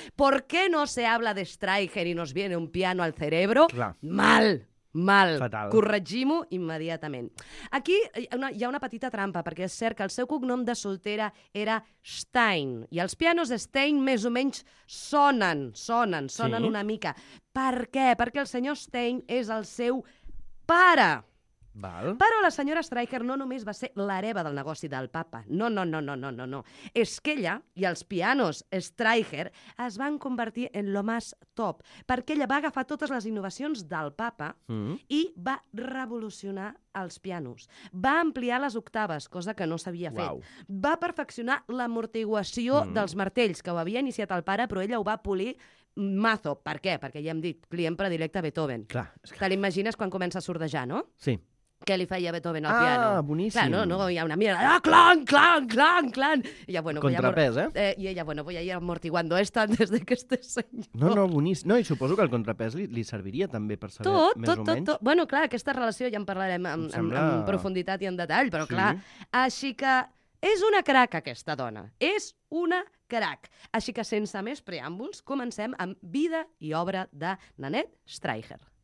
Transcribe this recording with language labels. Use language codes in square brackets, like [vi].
[es] ¿Por qué no se habla de Streicher y nos viene un piano al cerebro? [ca] Clar. Mal. Mal. Fatal. Corregim-ho immediatament. Aquí hi ha una petita trampa, perquè és cert que el seu cognom de soltera era Stein, i els pianos Stein més o menys sonen sí? Una mica. Per què? Perquè el senyor Stein és el seu pare. Val. Però la senyora Streicher no només va ser l'hereva del negoci del papa. No. És que ella i els pianos Streicher es van convertir en [es] lo más top, [ca] perquè ella va agafar totes les innovacions del papa i va revolucionar els pianos. Va ampliar les octaves, cosa que no s'havia fet. Va perfeccionar l'amortiguació dels martells, que ho havia iniciat el pare, però ella ho va polir mazo. Per què? Perquè ja hem dit, client predilecte a Beethoven. Clar, és que... Te l'imagines quan comença a sordejar, no? Sí. Què li feia Beethoven al piano? Ah, boníssim. Clar, no, hi ha una mirada, ah, clan. I ja, bueno, contrapès, I ella, [es] bueno, voy a ir amortiguando esto antes de que este señor... [ca] No, boníssim. No, i suposo que el contrapès li serviria també per saber tot. Bueno, clar, aquesta relació ja en parlarem en profunditat i en detall, però sí. Clar. Així que És una crac, aquesta dona. És una crac. Així que, sense més preàmbuls, comencem amb Vida i obra de Nanette Streicher.